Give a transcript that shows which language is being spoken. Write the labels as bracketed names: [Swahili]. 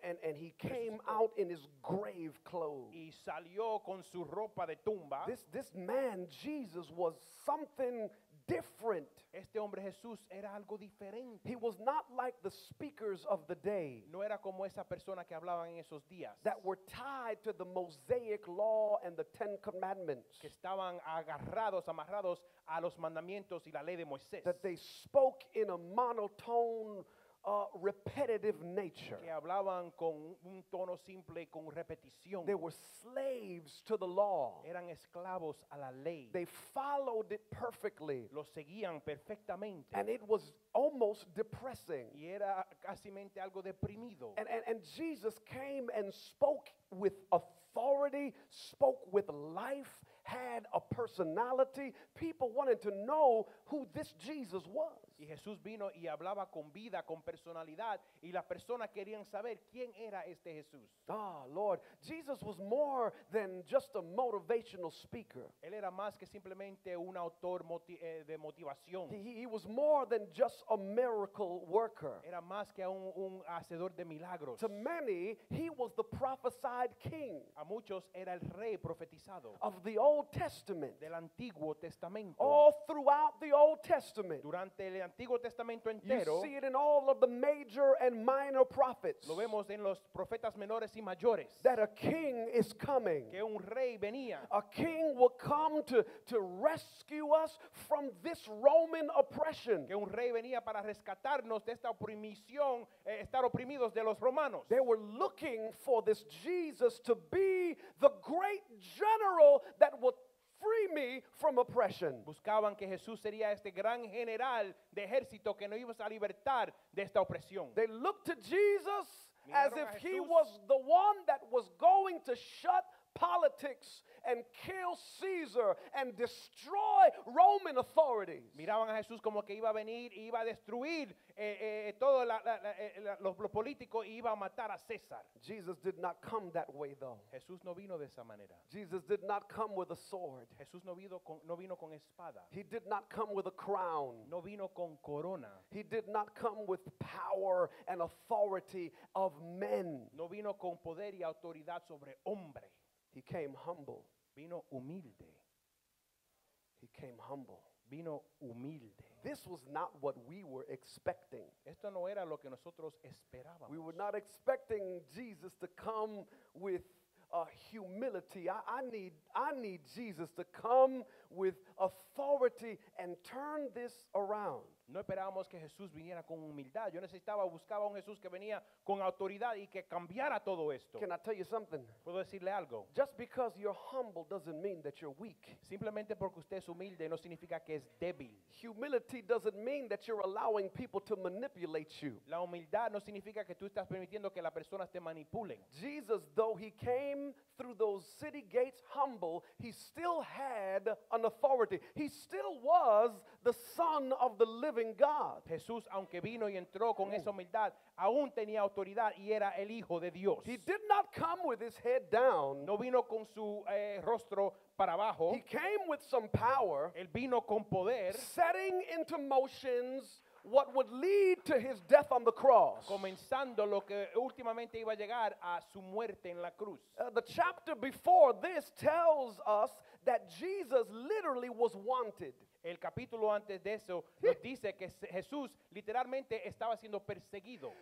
[English] And he came out in his grave clothes. [Spanish] Y salió con su ropa de tumba. [English] This man, Jesus, was something different. [Spanish] Este hombre Jesús era algo diferente. [English] He was not like the speakers of the day. [Spanish] No era como esa persona que hablaban en esos días. [English] That were tied to the Mosaic law and the Ten Commandments. [Spanish] Que estaban amarrados a los mandamientos y la ley de Moisés. [English] That they spoke in a monotone repetitive nature. [Spanish] Que hablaban con un tono simple y con repetición. [English] They were slaves to the law. [Spanish] Eran esclavos a la ley. [English] They followed it perfectly. [Spanish] Lo seguían perfectamente. [English] And it was almost depressing. [Spanish] Y era casi mente algo deprimido. [English] And Jesus came and spoke with authority, spoke with life, had a personality. People wanted to know who this Jesus was. [Spanish] Y Jesús vino y hablaba con vida, con personalidad, y las personas querían saber quién era este Jesús. [English] Ah, Lord, Jesus was more than just a motivational speaker. [Spanish] Él era más que simplemente un autor de motivación. [English] He was more than just a miracle worker. [Spanish] Era más que un hacedor de milagros. [English] To many, he was the prophesied king. [Spanish] A muchos era el rey profetizado. [English] Of the Old Testament. [Spanish] Del Antiguo Testamento. [English] All throughout the Old Testament. [Spanish] Durante el Antiguo Testamento entero. [English] You see it in all of the major and minor prophets. [Spanish] Lo vemos en los profetas menores y mayores. [English] That a king is coming. [Spanish] Que un rey venía. [English] A king will come to rescue us from this Roman oppression. [Spanish] Que un rey venía para rescatarnos de esta oprimición, estar oprimidos de los romanos. [English] They were looking for this Jesus to be the great general that would free me from oppression. [Spanish] Buscaban que Jesús sería este gran general de ejército que nos iba a libertar de esta opresión. [English] They looked to Jesus as if he was the one that was going to shut politics and kill Caesar and destroy Roman authorities. [Spanish] Miraban a Jesús como que iba a venir y iba a destruir todo los políticos y iba a matar a César. [English] Jesus did not come that way though. [Spanish] Jesús no vino de esa manera. [English] Jesus did not come with a sword. [Spanish] Jesús no vino con espada. [English] He did not come with a crown. [Spanish] No vino con corona. [English] He did not come with power and authority of men. [Spanish] No vino con poder y autoridad sobre hombre. [English] He came humble. [Spanish] Vino humilde. [English] He came humble. [Spanish] Vino humilde. [English] This was not what we were expecting. [Spanish] Esto no era lo que nosotros esperábamos. [English] We were not expecting Jesus to come with humility. I need Jesus to come with authority and turn this around. [Spanish] No esperábamos que Jesús viniera con humildad. Yo necesitaba, buscaba un Jesús que venía con autoridad y que cambiara todo esto. [English] Can I tell you something? [Spanish] ¿Puedo decirle algo? [English] Just because you're humble doesn't mean that you're weak. [Spanish] Simplemente porque usted es humilde no significa que es débil. [English] Humility doesn't mean that you're allowing people to manipulate you. [Spanish] La humildad no significa que tú estás permitiendo que las personas te manipulen. [English] Jesus, though he came through those city gates humble, he still had an authority. He still was the Son of the Living God. [Spanish] Jesús, aunque vino y entró con esa humildad, aún tenía autoridad y era el Hijo de Dios. [English] He did not come with his head down. [Spanish] No vino con su rostro para abajo. [English] He came with some power. [Spanish] Él vino con poder. [English] Setting into motions what would lead to his death on the cross. [Spanish] Comenzando lo que últimamente iba a llegar a su muerte en la cruz. [English] The chapter before this tells us that Jesus literally was wanted. [Spanish] El capítulo antes de eso nos dice que Jesús literalmente estaba siendo perseguido.